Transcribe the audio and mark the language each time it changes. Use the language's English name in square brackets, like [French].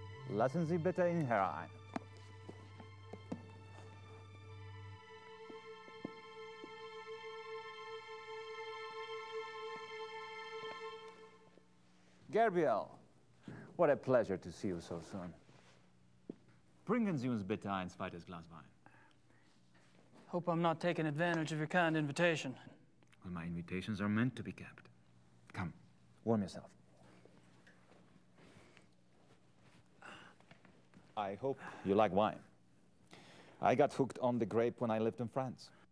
[German] Lassen Sie bitte in herein. [English] Gabriel, what a pleasure to see you so soon. [German] Bringen Sie uns bitte ein zweites Glas Wein. [English] Hope I'm not taking advantage of your kind invitation. Well, my invitations are meant to be kept. Come, warm yourself. I hope you like wine. I got hooked on the grape when I lived in France.